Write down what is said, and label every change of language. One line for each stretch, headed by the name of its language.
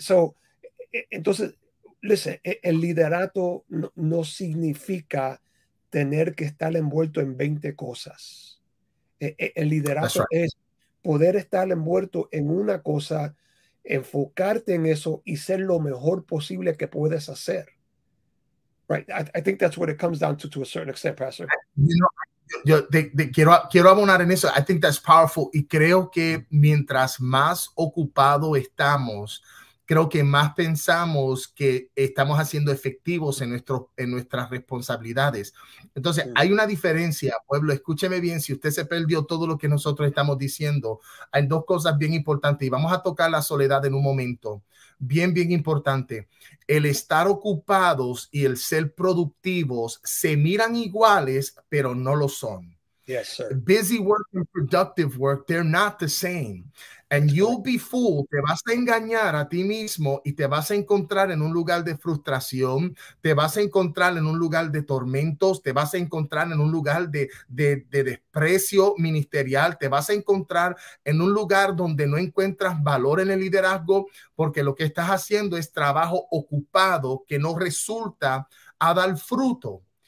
Spanish: So, entonces, listen, el liderato no significa tener que estar envuelto en 20 cosas. El
English: That's
Spanish: liderato
English: right.
Spanish: es poder estar envuelto en una cosa, enfocarte en eso y ser lo mejor posible que puedes hacer.
English: Right. I think that's what it comes down to a certain extent, Pastor.
Spanish: Yo quiero abonar en eso.
English: I think that's powerful.
Spanish: Y creo que mientras más ocupado estamos, creo que más pensamos que estamos haciendo efectivos en nuestras responsabilidades. Entonces, hay una diferencia, pueblo. Escúcheme bien, si usted se perdió todo lo que nosotros estamos diciendo, hay dos cosas bien importantes y vamos a tocar la soledad en un momento. Bien, bien importante. El estar ocupados y el ser productivos se miran iguales, pero no lo son.
English: Yes, sir. Busy work and productive work, they're not the same. And That's correct. you'll be fooled,
Spanish: te vas a engañar a ti mismo y te vas a encontrar en un lugar de frustración, te vas a encontrar en un lugar de tormentos, te vas a encontrar en un lugar de desprecio ministerial, te vas a encontrar en un lugar donde no encuentras valor en el liderazgo, porque lo que estás haciendo es trabajo ocupado que no resulta a dar fruto.